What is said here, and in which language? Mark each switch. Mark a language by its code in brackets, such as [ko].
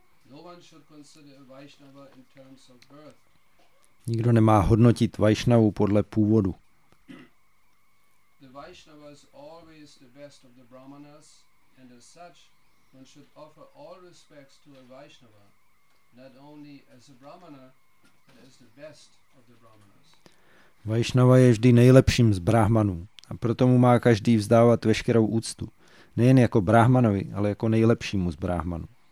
[en] No one should consider Vaishnava in terms of birth. [cs] Nikdo nemá hodnotit Vaishnavu podle původu. [en] The Vaishnava is always the best of the Brahmanas, and as such, one should offer all respects to a Vaishnava, not only as a Brahmana, but as the best of the Brahmanas. [cs] Vaishnava je vždy nejlepším z Brahmanů, a proto mu má každý vzdávat veškerou úctu, nejen jako Brahmanovi, ale jako nejlepšímu z Brahmanů.